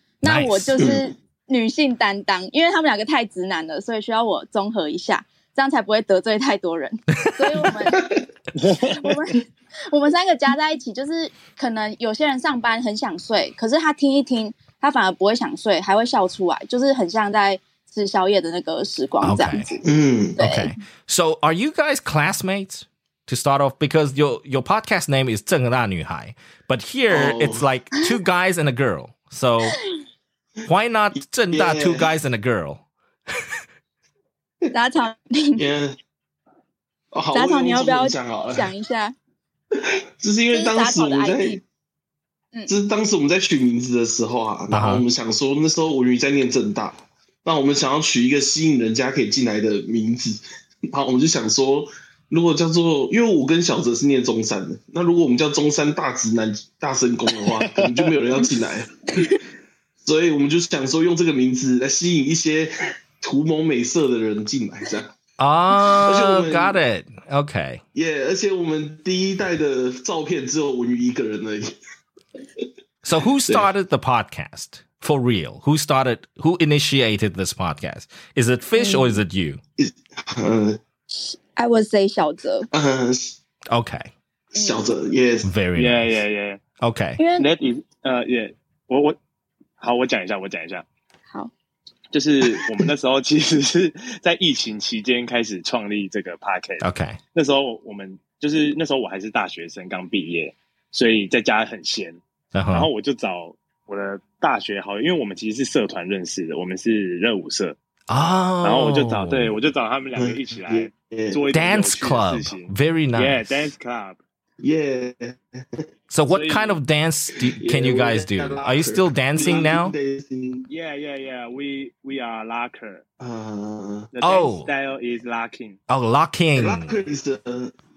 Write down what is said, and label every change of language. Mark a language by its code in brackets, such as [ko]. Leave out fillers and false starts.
[zh] 那我就是女性担当，因为他们两个太直男了，所以需要我综合一下，这样才不会得罪太多人。所以我们三个加在一起，就是可能有些人上班很想睡，可是他听一听，他反而不会想睡，还会笑出来，就是很像在吃宵夜的那个时光这样子。 [en] Okay. 嗯，OK。 So are you guys classmates to start off? Because your podcast name is 正大女孩 but here、oh. it's like two guys and a girl. So why not 正大 two guys and a girl? [zh] 大潮，大潮，你要不要讲好了？讲一下。就是因为当时我们在，就是当时我们在取名字的时候啊，然后我们想说那时候我女儿在念政大，那我们想要取一个吸引人家可以进来的名字，然后我们就想说，如果叫做，因为我跟小哲是念中山的，那如果我们叫中山大直男大神功的话，可能就没有人要进来了，所以我们就想说用这个名字来吸引一些图谋美色的人进来，这样。 [en] Oh, got it. Okay. [zh] Yeah, 而且我们第一代的照片只有文宇一个人而已。 [en] So who started the podcast for real? Who started? Who initiated this podcast? Is it Fish or is it you? I would say 小哲。 Okay. 小哲 yes. Very yeah, nice. Yeah, yeah, yeah. Okay. That is, yeah. [zh] 我好，我讲一下，我讲一下。好。就是我们那时候其实是在疫情期间开始创立这个 podcast。 [en] OK， [zh] 那时候我们就是那时候我还是大学生，刚毕业，所以在家很闲。 [en] Uh-huh. [zh] 然后我就找我的大学好友，因为我们其实是社团认识的，我们是热舞社啊。Oh. 然后我就找，对我就找他们两个一起来做一点有趣的事情。 [en] Dance club, very nice. Yeah, dance club. Yeah. So what kind of dance can you guys do? Are you still dancing now? Yeah, yeah, yeah. We are locker. The dance style is locking. Oh, locking. Locker is the...